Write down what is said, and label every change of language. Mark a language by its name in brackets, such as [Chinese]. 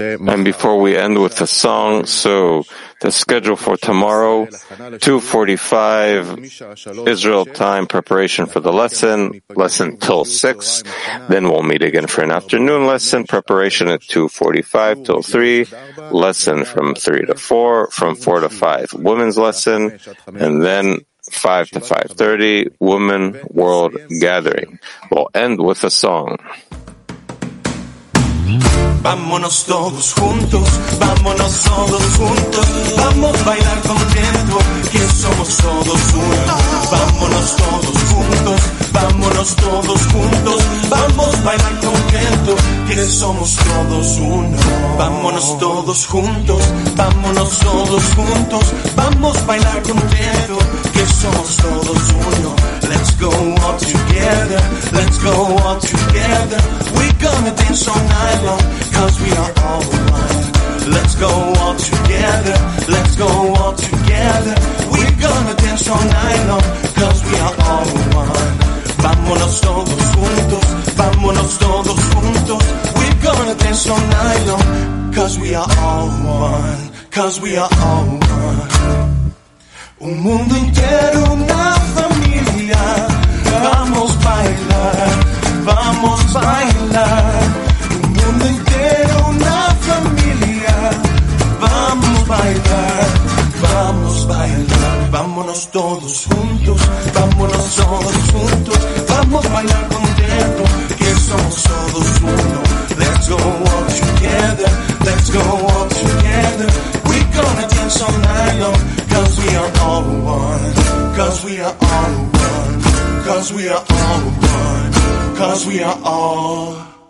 [English] And before we end with the song, so the schedule for tomorrow, 2:45 Israel time, preparation for the lesson till 6, then we'll meet again for an afternoon lesson, preparation at 2:45 till 3, lesson from 3 to 4, from 4 to 5, women's lesson, and then 5 to 5:30, Woman World Gathering. We'll end with a song. [Spanish] Vámonos todos juntos, vámonos todos juntos, vamos a bailar contento, que somos todos uno. Vámonos todos juntos, vámonos todos juntos, vamos a bailar contento, que somos todos uno. Vámonos todos juntos, vámonos todos juntos, vamos a bailar contento, que somos todos uno. [English] Let's go all together, let's go all together. We're gonna dance all night long, cause we are all one. Let's go all together, let's go all together. We're gonna dance all night long, cause we are all one. [Spanish] Vámonos todos juntos, vámonos todos juntos. [English] We're gonna dance all night long, cause we are all one, cause we are all one. [Spanish] Un mundo entero, una familia, vamos a bailar, vamos a bailar. Un mundo entero, una familia, vamos a bailar, vamos a bailar. Vámonos todos juntos, vámonos todos juntos, vamos a bailar contento, que somos todos uno. [English] Let's go all together, let's go all together. We're gonna dance all night long, cause we are all one, cause we are all one, cause we are all one, cause we are all one.